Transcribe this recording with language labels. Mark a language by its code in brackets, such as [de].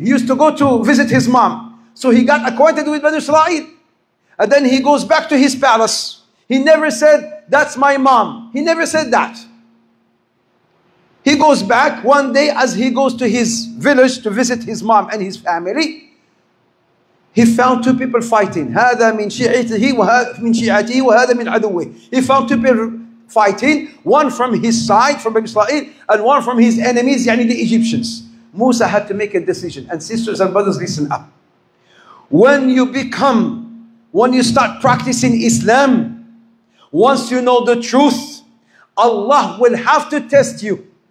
[en] He used to go to visit his mom. So he got acquainted with Banu Israel. And then he goes back to his palace. He never said, that's my mom. He never said that. He goes back one day as he goes to his village to visit his mom and his family. He found two people fighting. [ar] هَذَا مِنْ شِعَتِهِ وَهَذَا مِنْ عَدُوِهِ [en] He found two people fighting. One from his side, from Banu Israel, and one from his enemies, يعني the Egyptians. Musa had to make a decision. And sisters and brothers, listen up. When you start practicing Islam, once you know the truth, Allah will have to test you.